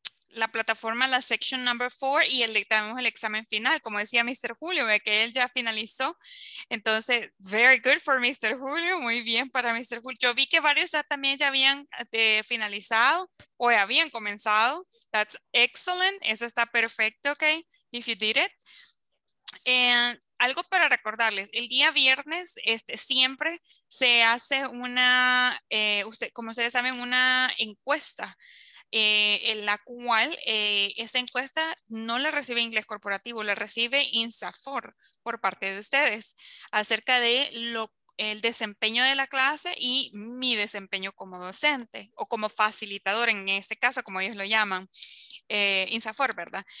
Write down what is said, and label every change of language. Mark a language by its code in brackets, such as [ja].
[es] La plataforma, la [en] section number 4, [es] y tenemos el examen final, como decía Mr. Julio, que él ya finalizó. Entonces, [en] very good for [es] Mr. Julio, muy bien para Mr. Julio. Yo vi que varios ya también ya habían finalizado o ya habían comenzado. [en] That's excellent, [es] eso está perfecto, [en] ok, if you did it. [es] Algo para recordarles, el día viernes siempre se hace una, como ustedes saben, una encuesta, en la cual esa encuesta no la recibe Inglés Corporativo, la recibe INSAFOR por parte de ustedes, acerca de el desempeño de la clase y mi desempeño como docente o como facilitador, en este caso, como ellos lo llaman, INSAFOR, ¿verdad?